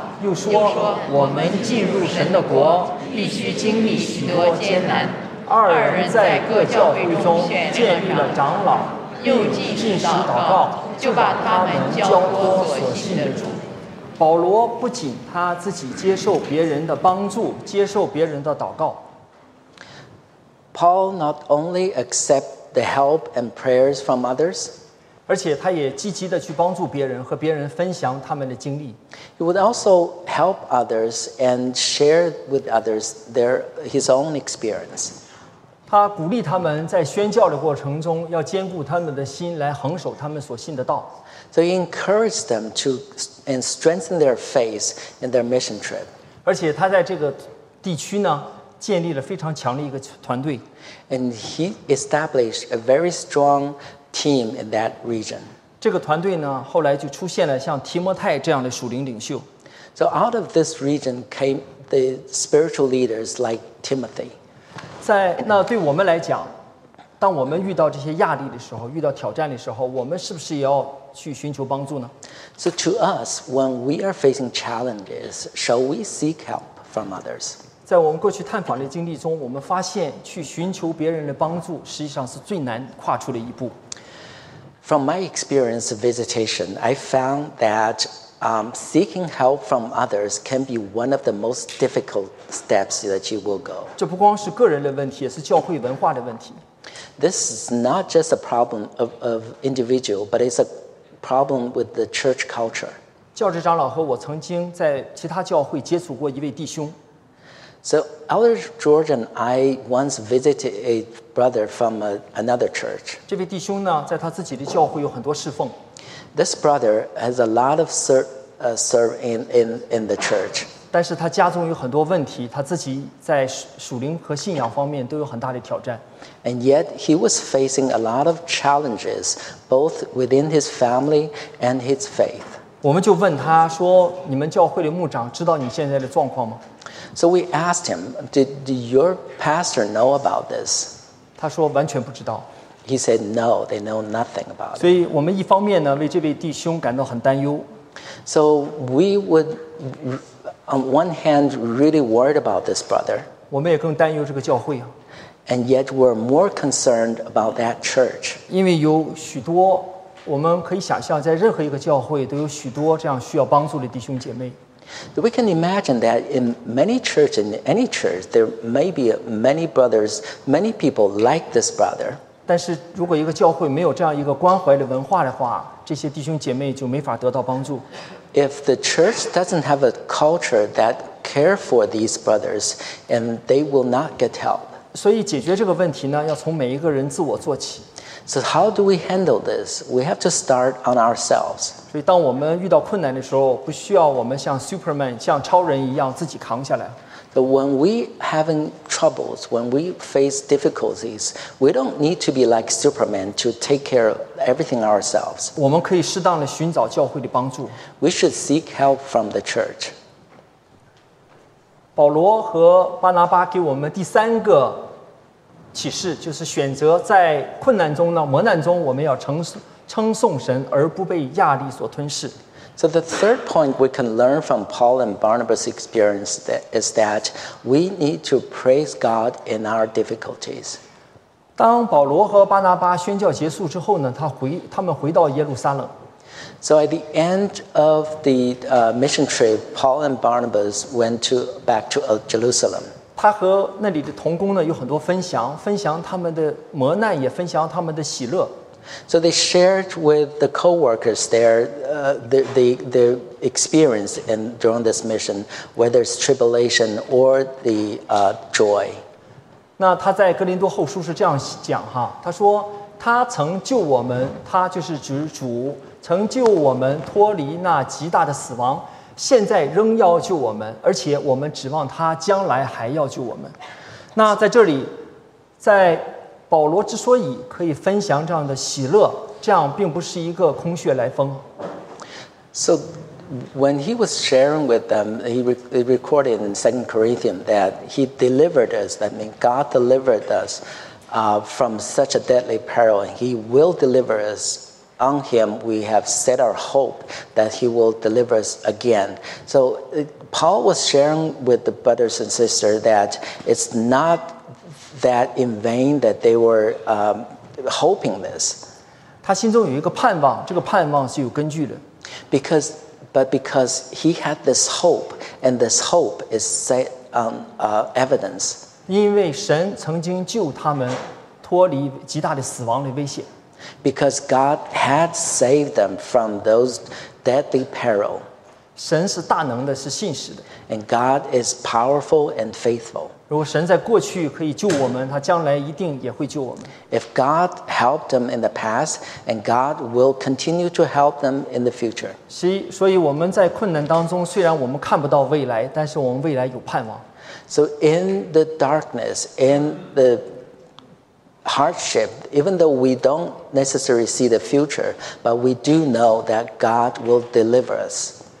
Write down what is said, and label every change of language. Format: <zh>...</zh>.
<zh>又说，我们进入神的国，必须经历许多艰难。二人在各教会中建立了长老，又进食祷告，就把他们交托所信的主。保罗不仅他自己接受别人的帮助，接受别人的祷告。</zh> <en>Paul not only accept the help and prayers from others.</en> <zh>而且他也积极地去帮助别人和别人分享他们的经历。</zh> <en>He would also help others and share with others his own experience.</en> <zh>他鼓励他们在宣教的过程中要坚固他们的心来恒守他们所信的道。</zh> <en>So he encouraged them to and strengthen their faith in their mission trip.</en> <zh>而且他在这个地区呢建立了非常强的一个团队。</zh> <en>And he established a very strong team in that region.</en> <zh>这个团队呢，后来就出现了像提摩太这样的属灵领袖。</zh> <en>So out of this region came the spiritual leaders like Timothy.</en> <zh>在那对我们来讲，当我们遇到这些压力的时候，遇到挑战的时候，我们是不是也要去寻求帮助呢？</zh> <en>So to us, when we are facing challenges, shall we seek help from others?</en> <zh>在我们过去探访的经历中，我们发现去寻求别人的帮助，实际上是最难跨出的一步。</zh> <en>From my experience of visitation, I found that seeking help from others can be one of the most difficult steps that you will go.</en> <zh>这不光是个人的问题，也是教会文化的问题。</zh> <en>This is not just a problem of individual, but it's a problem with the church culture.</en> <zh>教职长老和我曾经在其他教会接触过一位弟兄。</zh> <en>So, Elder George and I once visited a brother from another church.</en> <zh>这位弟兄呢，在他自己的教会有很多侍奉。</zh> <en>This brother has a lot of serve in the church.</en> <zh>但是他家中有很多问题，他自己在属灵和信仰方面都有很大的挑战。</zh> <en>And yet, he was facing a lot of challenges, both within his family and his faith.</en> <zh>我们就问他说，你们教会的牧长知道你现在的状况吗？</zh> <en>So we asked him, did your pastor know about this?</en> <zh>他说完全不知道。</zh> <en>He said, no, they know nothing about it.</en> <zh>所以我们一方面呢，为这位弟兄感到很担忧。</zh> <en>So we would, on one hand, really worried about this brother.</en> <zh>我们也更担忧这个教会啊。</zh> <en>And yet we're more concerned about that church.</en> <zh>因为有许多，我们可以想象，在任何一个教会都有许多这样需要帮助的弟兄姐妹。</zh> <en>We can imagine that in many churches, in any church, there may be many brothers, many people like this brother.</en> <zh>但是如果一个教会没有这样一个关怀的文化的话，这些弟兄姐妹就没法得到帮助。</zh> <en>If the church doesn't have a culture that care for these brothers, and they will not get help.</en> <zh>所以解决这个问题呢，要从每一个人自我做起。</zh> <en>So how do we handle this? We have to start on ourselves.</en> <zh>所以当我们遇到困难的时候，不需要我们像 Superman, 像超人一样自己扛下来。</zh> <en>But when we having troubles, when we face difficulties, we don't need to be like Superman to take care of everything ourselves.</en> <zh>我们可以适当地寻找教会的帮助。</zh> <en>We should seek help from the church.</en> <zh>保罗和巴拿巴给我们第三个启示，就是选择在困难中呢，磨难中，我们要称颂神，而不被压力所吞噬。</zh> <en>So the third point we can learn from Paul and Barnabas' experience is that we need to praise God in our difficulties.</en> <zh>当保罗和巴拿巴宣教结束之后呢，他们回到耶路撒冷。</zh> <en>So at the end of the mission trip, Paul and Barnabas went back to Jerusalem.</en> <zh>他和那里的同工呢有很多分享，分享他们的磨难，也分享他们的喜乐。</zh> <en>So they shared with the co-workers there, the experience in during this mission, whether it's tribulation or the joy.</en> <zh>那他在哥林多后书是这样讲哈，他说他曾救我们，他就是指主，曾救我们脱离那极大的死亡。现在仍要救我们，而且我们指望他将来还要救我们。那在这里，在保罗之所以可以分享这样的喜乐，这样并不是一个空穴来风。</zh> <en>So when he was sharing with them, he recorded in 2 Corinthians that he delivered us, that means God delivered us from such a deadly peril, and he will deliver us. On him, we have set our hope that he will deliver us again. So, Paul was sharing with the brothers and sisters that it's not that in vain that they were hoping this.</en> <zh>他心中有一个盼望，这个盼望是有根据的。</zh> <en>Because he had this hope, and this hope is set on evidence.</en> <zh>因为神曾经救他们脱离极大的死亡的威胁。</zh> <en>Because God had saved them from those deadly peril.</en> <zh>神是大能的，是信实的。</zh> <en>And God is powerful and faithful.</en> <zh>如果神在过去可以救我们，他将来一定也会救我们。</zh> <en>If God helped them in the past, and God will continue to help them in the future.</en> <zh>所以我们在困难当中，虽然我们看不到未来，但是我们未来有盼望。</zh> <en>So in the darkness, in the hardship, even though we don't necessarily see the future, but we do know that God will deliver us.</en>